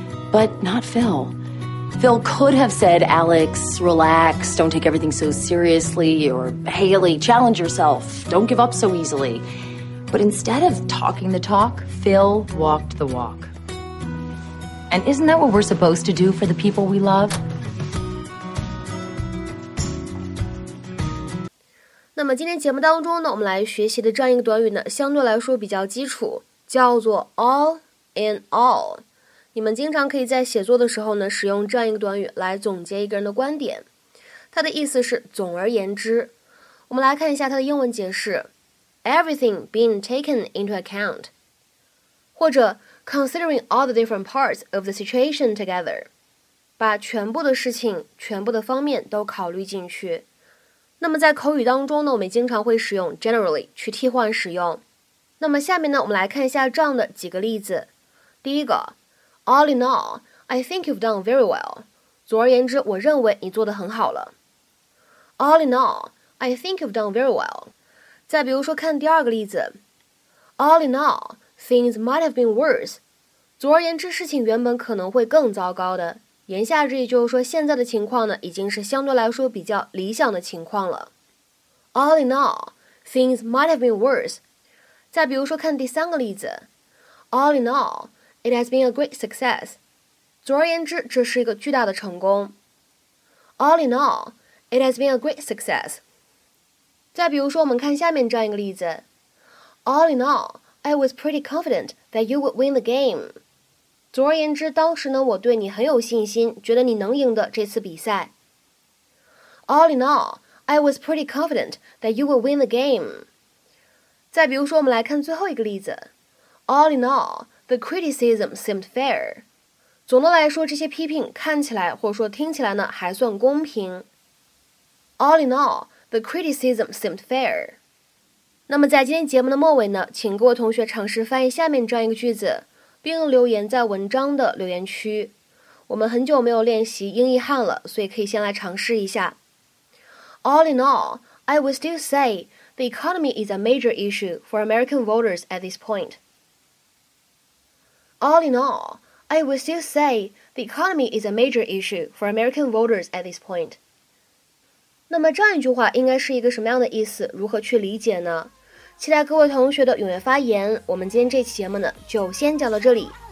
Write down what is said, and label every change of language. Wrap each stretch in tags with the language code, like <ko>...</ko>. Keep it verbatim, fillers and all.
<en>But not Phil. Phil could have said, Alex, relax, don't take everything so seriously, or Haley, challenge yourself, don't give up so easily. But instead of talking the talk, Phil walked the walk. And isn't that what we're supposed to do for the people we love?</en> <zh>那么今天节目当中呢，我们来学习的这样一个短语呢，相对来说比较基础，叫做 all in all。你们经常可以在写作的时候呢，使用这样一个短语来总结一个人的观点。它的意思是总而言之。我们来看一下它的英文解释 ：</zh> <en>everything being taken into account，</en> <zh>或者</zh> <en>Considering all the different parts of the situation together，</en> <zh>把全部的事情、全部的方面都考虑进去。那么在口语当中呢，我们经常会使用 generally 去替换使用。那么下面呢，我们来看一下这样的几个例子。第一个</zh> <en>，All in all, I think you've done very well。</en> <zh>总而言之，我认为你做得很好了。</zh> <en>All in all, I think you've done very well。</en> <zh>再比如说，看第二个例子 ，All in all。</zh> <en>Things might have been worse.</en> <zh>总而言之，事情原本可能会更糟糕的。言下之意就是说，现在的情况呢，已经是相对来说比较理想的情况了。</zh> <en>All in all, things might have been worse.</en> <zh>再比如说，看第三个例子。</zh> <en>All in all, it has been a great success.</en> <zh>总而言之，这是一个巨大的成功。</zh> <en>All in all, it has been a great success.</en> <zh>再比如说，我们看下面这样一个例子。</zh> <en>All in all. I was pretty confident that you would win the game.</en> <zh>总而言之，当时呢，我对你很有信心，觉得你能赢得这次比赛。</zh> <en>All in all, I was pretty confident that you would win the game.</en> <zh>再比如说，我们来看最后一个例子。</zh> <en>All in all, the criticism seemed fair.</en> <zh>总的来说，这些批评看起来或者说听起来呢，还算公平。</zh> <en>All in all, the criticism seemed fair.</en> <zh>那么在今天节目的末尾呢，请各位同学尝试翻译下面这样一个句子，并留言在文章的留言区。我们很久没有练习英译汉了，所以可以先来尝试一下。</zh> <en>All in all, I would still say the economy is a major issue for American voters at this point. All in all, I would still say the economy is a major issue for American voters at this point.</en> <zh>那么这样一句话应该是一个什么样的意思？如何去理解呢？期待各位同学的踊跃发言。我们今天这期节目呢，就先讲到这里。</zh>